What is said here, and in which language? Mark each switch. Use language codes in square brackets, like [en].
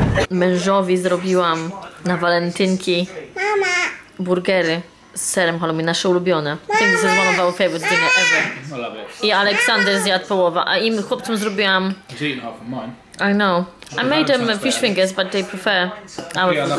[pl] Mężowi zrobiłam na walentynki burgery z serem halloumi, nasze ulubione. [en] Think this is one of our favorite dinner ever. [pl] I Aleksander zjadł połowę, a im chłopcom zrobiłam... [en] I know. I made them fish fingers, but they prefer our food.